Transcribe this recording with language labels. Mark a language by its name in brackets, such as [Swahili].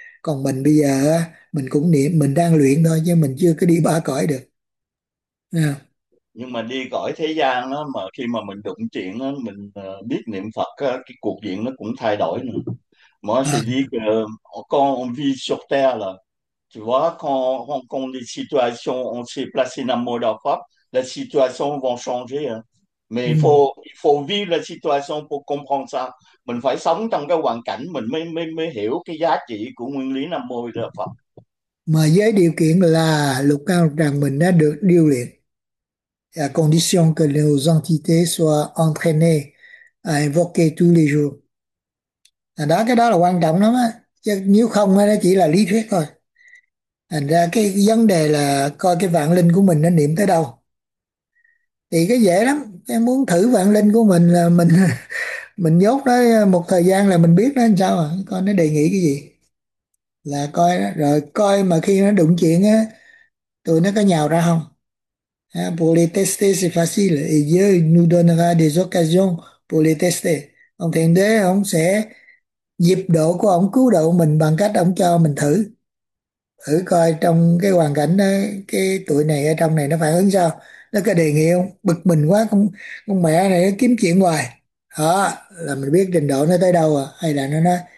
[Vietnamese] Còn mình bây giờ á, mình cũng niệm, mình đang luyện thôi chứ mình chưa có đi ba cõi được. Nhưng mà đi cõi thế gian đó, mà khi mà mình đụng chuyện đó, mình biết niệm Phật đó, cái cuộc diện nó cũng thay đổi nữa. [French] Moi je dis que quand on vit sur terre là, tu vois, quand on rencontre des situations, on s'est placé dans le mode Phật, la situation va changer. Mais il faut vivre la situation pour comprendre ça. [Vietnamese] Mình phải sống trong cái hoàn cảnh mình mới mới mới hiểu cái giá trị của nguyên lý Nam Mô A Di Đà Phật. Mà với điều kiện là Lục Cao rằng mình đã được điêu luyện à, [French] condition que les entités soient entraînées à, invoquer tous les jours à, [Vietnamese] đó cái đó là quan trọng lắm á, chứ nếu không nó chỉ là lý thuyết thôi. Thành ra cái vấn đề là coi cái vạn linh của mình nó niệm tới đâu. Thì cái dễ lắm, em muốn thử vạn linh của mình là mình nhốt nó một thời gian là mình biết nó làm sao à, coi nó đề nghị cái gì là coi đó. Rồi coi mà khi nó đụng chuyện á tụi nó có nhào ra không. [French] Pour les tester c'est facile et Dieu nous donnera des occasions pour les tester. [Vietnamese] Ông Thiện Đế ông sẽ dịp độ của ông cứu độ mình bằng cách ông cho mình thử thử coi trong cái hoàn cảnh đó, cái tụi này ở trong này nó phản ứng sao, nó có đề nghị không, bực mình quá con mẹ này nó kiếm chuyện hoài đó, là mình biết trình độ nó tới đâu à, hay là nó nói